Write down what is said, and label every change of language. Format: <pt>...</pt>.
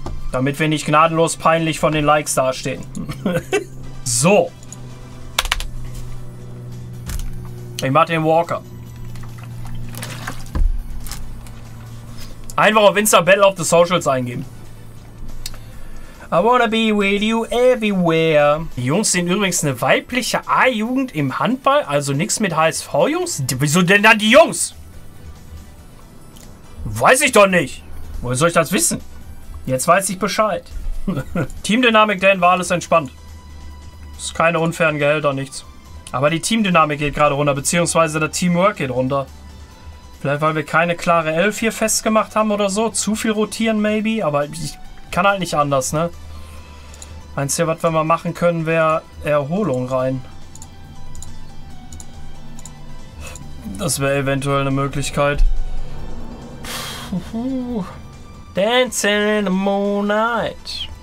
<de>Damit wir nicht gnadenlos peinlich von den Likes dastehen. So. Ich mache den Walker. Einfach auf Insta Battle of the Socials eingeben.</de> <en>I wanna be with you everywhere.</en> <de>Die Jungs sind übrigens eine weibliche A-Jugend im Handball, also nichts mit HSV-Jungs. Wieso denn dann die Jungs? Weiß ich doch nicht. Woher soll ich das wissen? Jetzt weiß ich Bescheid. Teamdynamik, Dan, war alles entspannt. Ist keine unfairen Gehälter, nichts. Aber die Teamdynamik geht gerade runter, beziehungsweise das Teamwork geht runter. Vielleicht, weil wir keine klare Elf hier festgemacht haben oder so. Zu viel rotieren, maybe. Aber ich kann halt nicht anders, ne? Einzige, was wir mal machen können, wäre Erholung rein. Das wäre eventuell eine Möglichkeit.</de> <en>Dancing in the Moonlight.</en>